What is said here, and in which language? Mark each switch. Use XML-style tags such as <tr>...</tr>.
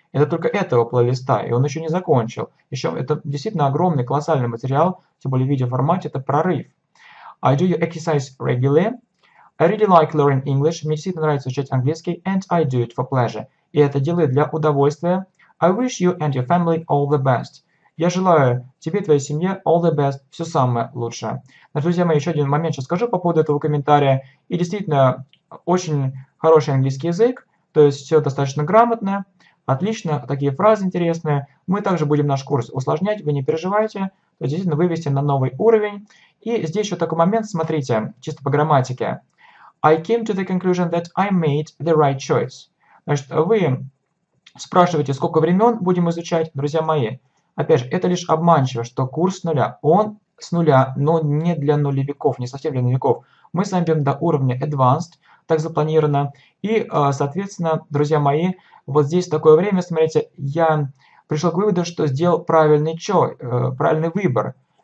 <ru>Это только этого плейлиста, и он еще не закончил. Еще это действительно огромный, колоссальный материал, тем более в видеоформате, это прорыв.</ru> <en>I do your exercise regularly. I really like learning English.</en> <ru>Мне действительно нравится учить английский.</ru> <en>And I do it for pleasure.</en> <ru>И это делаю для удовольствия.</ru> <en>I wish you and your family all the best.</en> <ru>Я желаю тебе и твоей семье</ru> <en>all the best,</en> <ru>все самое лучшее. Но, друзья мои, еще один момент сейчас скажу по поводу этого комментария. И действительно, очень хороший английский язык, то есть все достаточно грамотно, отлично, такие фразы интересные. Мы также будем наш курс усложнять, вы не переживайте, то есть действительно вывести на новый уровень. И здесь еще такой момент, смотрите, чисто по грамматике.</ru> <en>I came to the conclusion that I made the right choice.</en> <ru>Значит, вы спрашиваете, сколько времен будем изучать, друзья мои. Опять же, это лишь обманчиво, что курс с нуля, он с нуля, но не для нулевиков, не совсем для нулевиков. Мы с вами идем до уровня advanced, так запланировано. И, соответственно, друзья мои, вот здесь такое время, смотрите, я пришел к выводу, что сделал правильный выбор.</ru>